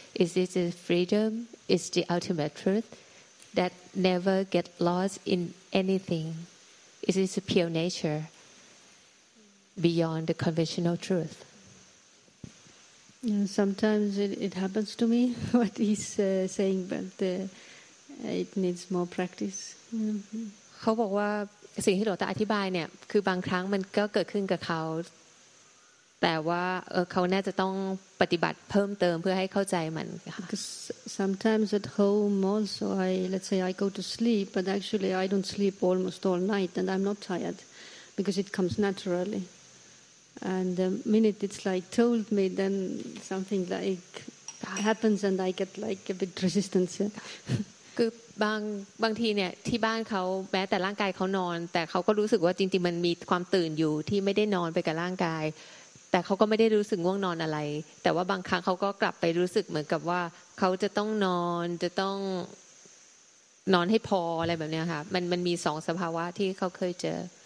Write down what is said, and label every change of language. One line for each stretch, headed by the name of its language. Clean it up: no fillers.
English: Is this the freedom? Is the ultimate truth that never get lost in anything? Is this a pure nature beyond the conventional truth? You know, sometimes it happens to me what he's saying, but it needs more practice. He said.
Thai: สิ่งที่หลวงตาอธิบายเนี่ยคือบางครั้งมันก็เกิดขึ้นกับเขาแต่ว่าเขาน่าจะต้องปฏิบัติเพิ่มเติมเพื่อให้เข้าใจมันค่ะ
English: Because sometimes at home also let's say I go to sleep but actually I don't sleep almost all night and I'm not tired because it comes naturally and the minute it's like told me then something like happens and I get like a bit resistance
Thai: คือบางทีเนี่ยที่บ้านเขาแม้แต่ร่างกายเขานอนแต่เขาก็รู้สึกว่าจริงๆมันมีความตื่นอยู่ที่ไม่ได้นอนไปกับร่างกายแต่เขาก็ไม่ได้รู้สึกง่วงนอนอะไรแต่ว่าบางครั้งเขาก็กลับไปรู้สึกเหมือนกับว่าเขาจะต้องนอนจะต้องนอนให้พออะไรแบบนี้ค่ะมันมีสองสภาวะที่เขาเคยเจอ